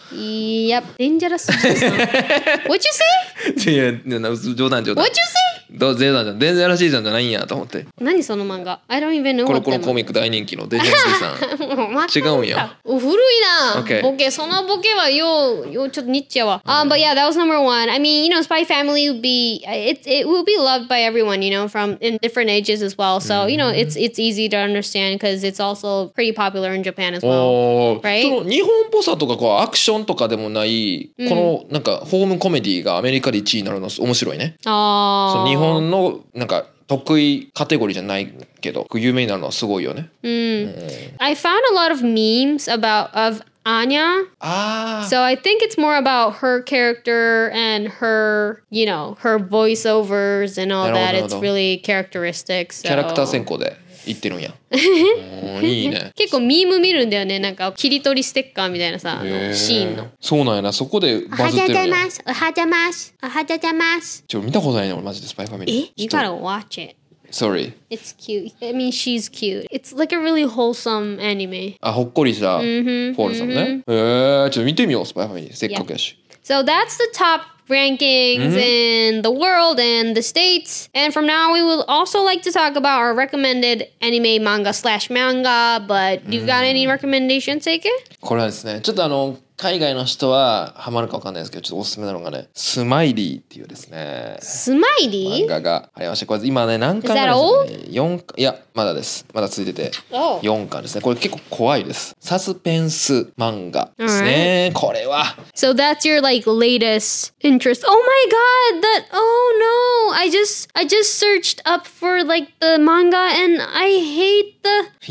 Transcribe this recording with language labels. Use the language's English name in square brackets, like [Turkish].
[English] Yep. Dangerous Jisan. What'd you say? [Japanese] 冗談冗談。 [English] What'd you say? [Japanese] Dangerous Jisan じゃないんやと思って。何その漫画? [English] I don't even know [Japanese] コロコロコミック大人気の Dangerous Jisan。違うんや。古いな。ボケ。そのボケはよ、よ、ちょっとニッチやわ。 [English] But yeah, that was number one. I mean, you know, Spy Family would be... It will be loved by everyone, you know, from in different ages as well. So, you know, it's easy to understand because it's also pretty popular in Japan as well. Right? [Japanese] その日本っぽさとかこうアクションとかでもない、このなんかホームコメディがアメリカで1位になるの面白いね。その日本のなんか得意カテゴリーじゃないけど、有名になるのはすごいよね。 [English] I found a lot of memes of Anya. So I think it's more about her character and her, you know, her voiceovers and all that. It's really characteristic. So. [Japanese] キャラクター専攻で言ってるんや。いいね。結構ミーム見るんだよね。なんか切り取りステッカーみたいなさ、シーンの。そうなんやな。そこでバズってるんや。おはじゃまし。おはじゃまし。ちょ、見たことないね。俺マジでスパイファミリー。 [English] You gotta watch it. Sorry. It's cute. I mean, she's cute. It's like a really wholesome anime. [Japanese] あ、ほっこりした。フォールさんね。へえ、ちょっと見てみよう、スパイファミリー。せっかくやし。 [English] So that's the top rankings in the world and the states. And from now, we will also like to talk about our recommended anime manga/manga. But you've got any recommendations, Seike? [Japanese] これはですね、ちょっと海外の人はハマるかわかんないですけど、ちょっとおすすめなのがね、スマイリーっていうですね。スマイリー？漫画がありまして、これ今ね、何巻まで、ね、 4巻、いや、まだです。まだ続いてて、4巻ですね。これ結構怖いです。サスペンス漫画ですね、これは。 [English] So that's your like latest interest. Oh my god! That, oh no! I just searched up for like the manga and I hate the...